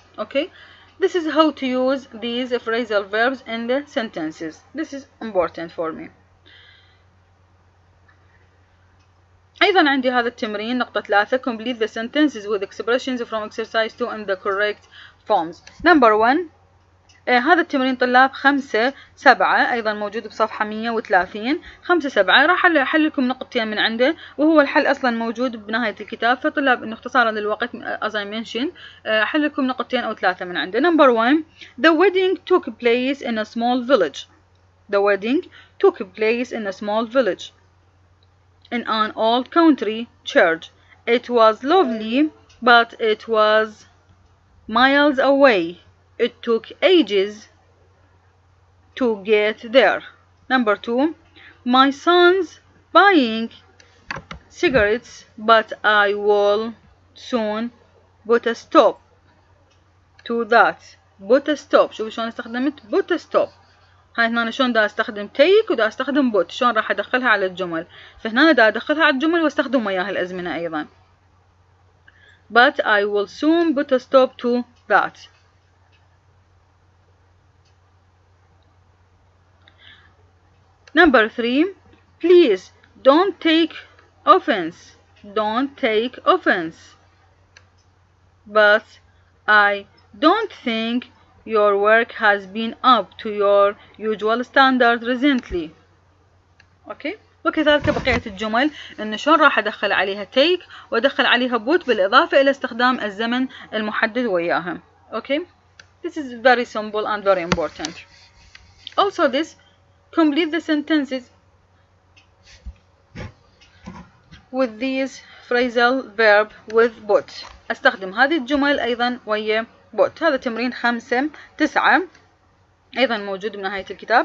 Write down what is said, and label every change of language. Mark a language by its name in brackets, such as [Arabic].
[English] Okay, this is how to use these phrasal verbs in the sentences. This is important for me. [Arabic] أيضا عندي هذا التمرين نقطة ثلاثة. [English] Complete the sentences with expressions from exercise 2 in the correct forms. Number 1. [Arabic] هذا التمرين طلاب 5-7 أيضا موجود بصفحة 130. 5-7 راح أحل لكم نقطتين من عنده وهو الحل أصلا موجود بنهاية الكتاب. فطلاب إنه اختصارا للوقت [English] as I mentioned [Arabic] أحل لكم نقطتين أو ثلاثة من عنده. [English] Number 1. The wedding took place in a small village. The wedding took place in a small village. In an old country church. It was lovely, but it was miles away. It took ages to get there. Number 2. My son's buying cigarettes, but I will soon put a stop to that. Put a stop. [Arabic] شوفوا شلون استخدمت [English] put a stop. [Arabic] هاي هنا شلون دا استخدم تيك ودا استخدم بوت شلون راح ادخلها على الجمل فهنا دا ادخلها على الجمل واستخدم وياها الأزمنة ايضا [English] but I will soon put a stop to that. Number 3. Please don't take offense. Don't take offense. But I don't think your work has been up to your usual standard recently. Okay. [Arabic] وكذلك بقية الجمل إن شلون راح أدخل عليها take وأدخل عليها put بالإضافة إلى استخدام الزمن المحدد وياها. [English] Okay. This is very simple and very important. Also this complete the sentences with these phrasal verb with put. [Arabic] أستخدم هذه الجمل أيضا ويا But. هذا تمرين 5-9 أيضا موجود بنهاية الكتاب.